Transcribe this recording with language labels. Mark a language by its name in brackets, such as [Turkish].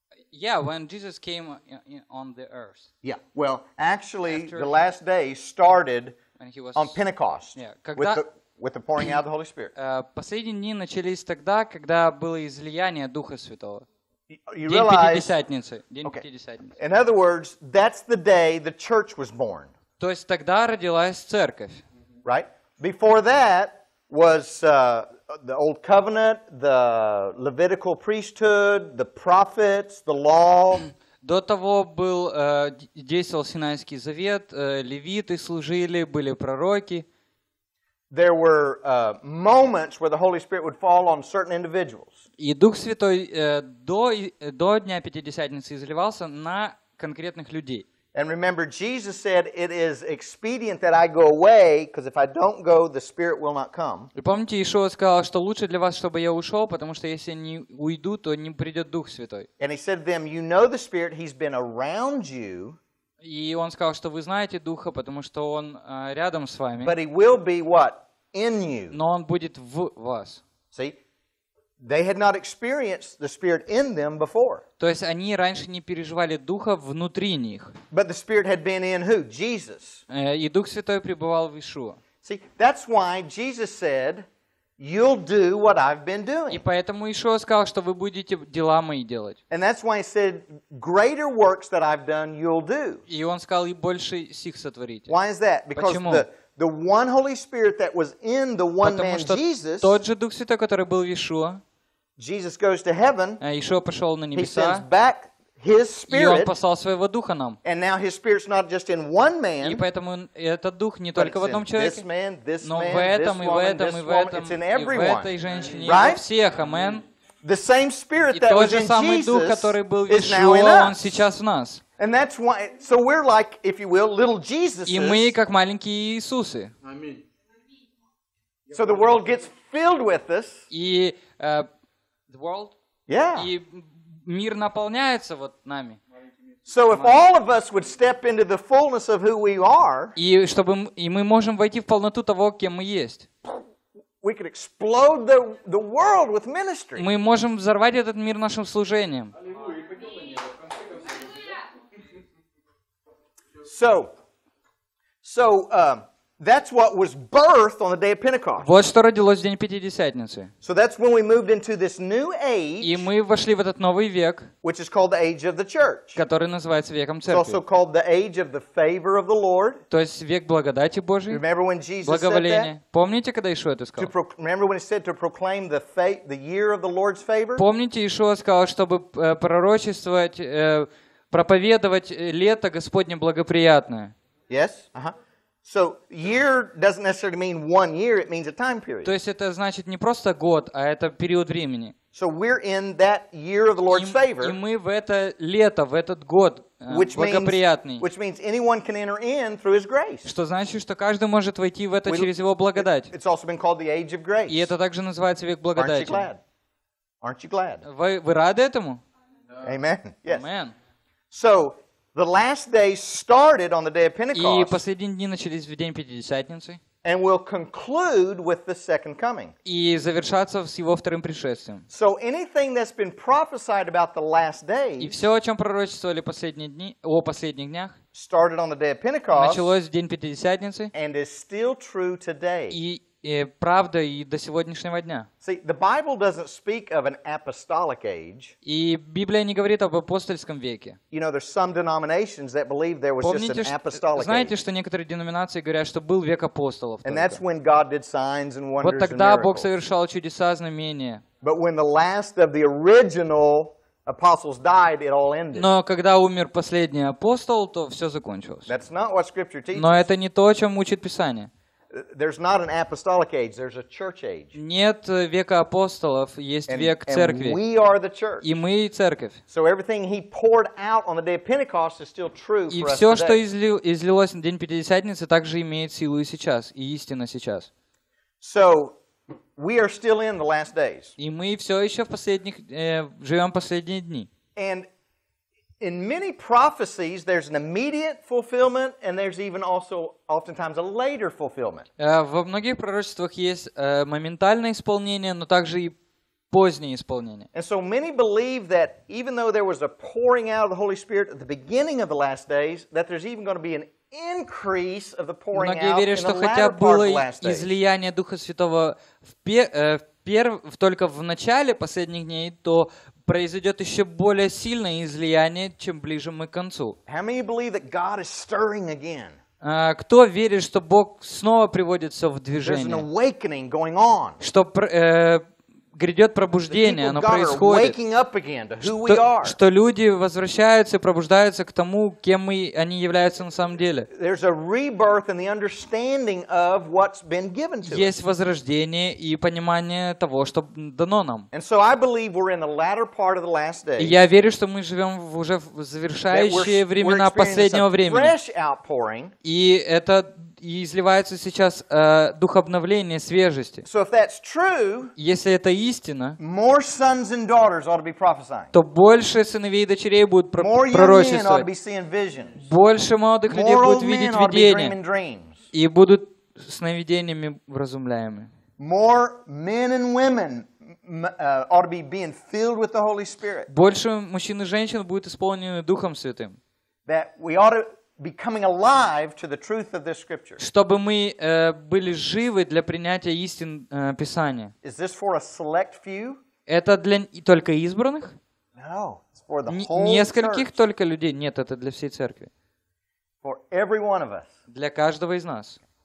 [English] Yeah, when Jesus came on the earth. Yeah. Well, actually, after the last day started. And he was on Pentecost, yeah, with the pouring out of the Holy Spirit. [Russian] Последние дни начались тогда, когда было излияние Духа Святого. [English] You realize, [Russian] день, [English] in other words, that's the day the church was born. [Russian] То есть тогда родилась церковь. [English] Right? Before that was the old covenant, the Levitical priesthood, the prophets, the law. [Russian] До того был действовал Синайский завет, левиты служили, были пророки. [English] There were moments where the Holy Spirit would fall on certain individuals. [Russian] И Дух Святой до дня Пятидесятницы изливался на конкретных людей. [English] And remember, Jesus said, "It is expedient that I go away, because if I don't go, the Spirit will not come." [Russian] И помните, Иисус сказал, что лучше для вас, чтобы я ушел, потому что если не уйду, то не придет Дух Святой. [English] And He said to them, "You know the Spirit; He's been around you." [Russian] И он сказал, что вы знаете Духа, потому что он рядом с вами. [English] But He will be what? In you. [Russian] Но он будет в вас. [English] See? They had not experienced the Spirit in them before. [Russian] То есть они раньше не переживали Духа внутри них. [English] But the Spirit had been in who? Jesus. [Russian] И Дух Святой пребывал в Иешуа. [English] See, that's why Jesus said, "You'll do what I've been doing." [Russian] И поэтому Иешуа сказал, что вы будете дела мои делать. [English] And that's why He said, "Greater works that I've done, you'll do." [Russian] И он сказал, и больше сих сотворите. [English] Why is that? Because [Russian] Почему? [English] The one Holy Spirit that was in the one man Jesus. [Russian] Тот же Дух Святой, который был в Иешуа. [English] Jesus goes to heaven. [Russian] Иешуа пошел на небеса. [English] He sends back His Spirit. [Russian] И он послал своего Духа нам. [English] And now His Spirit's not just in one man. [Russian] И поэтому этот Дух не только в одном человеке. [English] This man, this man, [Russian] но в этом, [English] this woman, this woman. It's in everyone. [Russian] И в этой женщине, [English] right? [Russian] И во всех. Амен. [English] The same Spirit that was in Jesus. [Russian] И тот же самый Дух, который был в Иешуа, он сейчас в нас. [English] And that's why, so we're like, if you will, little Jesuses. [Russian] И мы как маленькие Иисусы. [English] So the world gets filled with us. И the world. Yeah. [Russian] И мир наполняется вот нами. [English] So if all of us would step into the fullness of who we are. [Russian] И чтобы и мы можем войти в полноту того, кем мы есть. [English] We could explode the world with ministry. [Russian] Мы можем взорвать этот мир нашим служением. [English] So that's what was birthed on the day of Pentecost. [Russian] Вот что родилось в день Пятидесятницы. [English] So that's when we moved into this new age. [Russian] И мы вошли в этот новый век. [English] Which is called the age of the church. [Russian] Который называется веком церкви. [English] It's also called the age of the favor of the Lord. [Russian] То есть век благодати Божьей. [English] Remember when Jesus said [Russian] благоволение. Помните, когда Иешуа это сказал? [English] Remember when He said to proclaim the year of the Lord's favor? [Russian] Помните, Иешуа сказал, чтобы пророчествовать проповедовать лето Господне благоприятное. [English] Yes. So year doesn't necessarily mean one year, it means a time period. [Russian] То есть это значит не просто год, а это период времени. [English] So we're in that year of the Lord's favor. [Russian] И мы в это лето, в этот год благоприятный. [English] Which means anyone can enter in through His grace. [Russian] Что значит, что каждый может войти в это через Его благодать. [English] It's also been called the age of grace. [Russian] И это также называется век благодати. [English] Aren't you glad? Aren't you glad? [Russian] Вы рады этому? [English] Amen. Yes. Amen. So the last day started on the day of Pentecost. [Russian] И последние дни начались в день Пятидесятницы. [English] And will conclude with the second coming. [Russian] И завершаться с его вторым пришествием. [English] So anything that's been prophesied about the last days. [Russian] И все, о чем пророчествовали последние дни, о последних днях. [English] Started on the day of Pentecost. [Russian] Началось в день Пятидесятницы. [English] And is still true today. [Russian] И правда и до сегодняшнего дня. [English] See, the Bible doesn't speak of an apostolic age. [Russian] И Библия не говорит об апостольском веке. [English] You know, there's some denominations that believe there was [Russian] Помните, [English] just an apostolic age. [Russian] Знаете, что некоторые деноминации говорят, что был век апостолов. [English] And that's when God did signs and wonders. [Russian] Вот тогда Бог совершал чудеса, знамения. [English] But when the last of the original apostles died, it all ended. [Russian] Но когда умер последний апостол, то все закончилось. [English] That's not what Scripture teaches. [Russian] Но это не то, о чем учит Писание. [English] There's not an apostolic age, there's a church age. [Russian] Нет века апостолов, есть век церкви. [English] And we are the church. [Russian] И мы церковь. [English] So everything He poured out on the day of Pentecost is still true for us today. [Russian] И все, что излилось на день Пятидесятницы, также имеет силу и сейчас, и истина сейчас. [English] So we are still in the last days. [Russian] И мы все еще в последних живем последние дни. [English] And in many prophecies, there's an immediate fulfillment, and there's even also oftentimes a later fulfillment. [Russian] Во многих пророчествах есть моментальное исполнение, но также и позднее исполнение. [English] And so many believe that even though there was a pouring out of the Holy Spirit at the beginning of the last days, that there's even going to be an increase of the pouring out in the latter part of the last days. [Russian] Многие верят, что хотя было излияние Духа Святого в только в начале последних дней, то произойдет еще более сильное излияние, чем ближе мы к концу. [English] How many believe that God is stirring again? [Russian] Кто верит, что Бог снова приводит все в движение? [English] There's an awakening going on. [Russian] Что грядет пробуждение, оно происходит. Что люди возвращаются и пробуждаются к тому, кем мы, они являются на самом деле. [English] There's a rebirth in the understanding of what's been given to us. [Russian] Есть возрождение и понимание того, что дано нам. [English] And so I believe we're in the latter part of the last days. [Russian] И я верю, что мы живем в уже в завершающие времена последнего времени. [English] Fresh outpouring. [Russian] И это и изливается сейчас дух обновления, свежести. [English] So if that's true, [Russian] если это истина, [English] more sons and daughters ought to be prophesying. [Russian] То больше сыновей и дочерей будут пророчествовать. [English] More young men ought to be seeing visions. [Russian] Больше молодых [English] more [Russian] людей будут видеть видения. [English] More old men ought to be dreaming dreams. [Russian] И будут сновидениями вразумляемы. [English] More men and women ought to be being filled with the Holy Spirit. [Russian] Больше мужчин и женщин будут исполнены Духом Святым. [English] That we ought to becoming alive to the truth of this scripture. [Russian] Чтобы мы были живы для принятия истин Писания. [English] Is this for a select few? [Russian] Это для только избранных? [English] No, it's for the whole church. [Russian] Нескольких только людей? Нет, это для всей церкви. [English] For every one of us. [Russian] Для каждого из нас.